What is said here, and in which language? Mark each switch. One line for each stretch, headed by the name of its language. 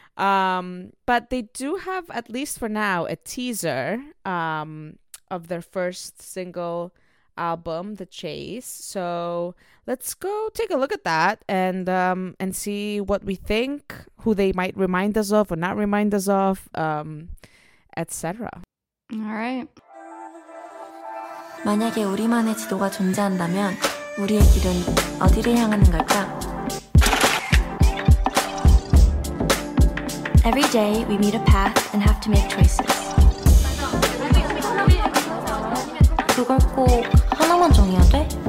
English: But they do have, at least for now, a teaser of their first single album, The Chase. So let's go take a look at that and see what we think, who they might remind us of or not remind us of, etc. All right.
Korean: 만약에 우리만의 지도가 존재한다면 우리의 길은 어디를 향하는 걸까?
English: Every day we meet a path and have to make choices.
Korean: 그걸 꼭 하나만 정해야 돼?